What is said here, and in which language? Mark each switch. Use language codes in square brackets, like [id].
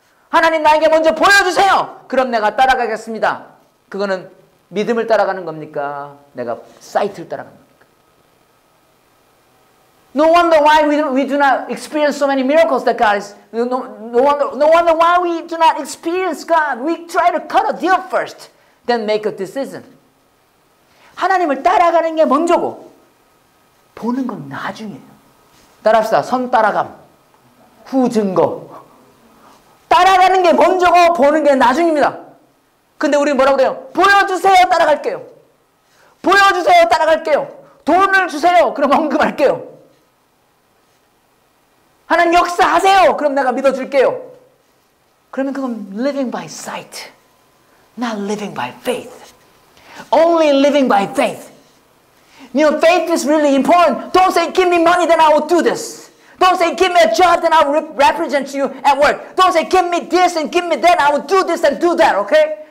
[ko] 하나님 나에게 먼저 보여주세요. 그럼 내가 따라가겠습니다. 그거는 믿음을 따라가는 겁니까? 내가 사이트를 따라가는 겁니까? [en] No wonder why we do not experience so many miracles that God is... No wonder why we do not experience God. We try to cut a deal first, then make a decision. [ko] 하나님을 따라가는 게 먼저고, 보는 건 나중이에요. 따라합시다. 선 따라감, 후 증거. 따라가는 게 먼저고, 보는 게 나중입니다. 근데 우리는 뭐라고 돼요? 보여주세요, 따라갈게요. 보여주세요, 따라갈게요. 돈을 주세요, 그럼 헌금할게요. 하나님 역사하세요, 그럼 내가 믿어줄게요. 그러면 그건 [en] living by sight, not living by faith. Only living by faith. You know, faith is really important. Don't say, give me money, then I will do this. Don't say, give me a job, then I will represent you at work. Don't say, give me this and give me that, I will do this and do that, okay?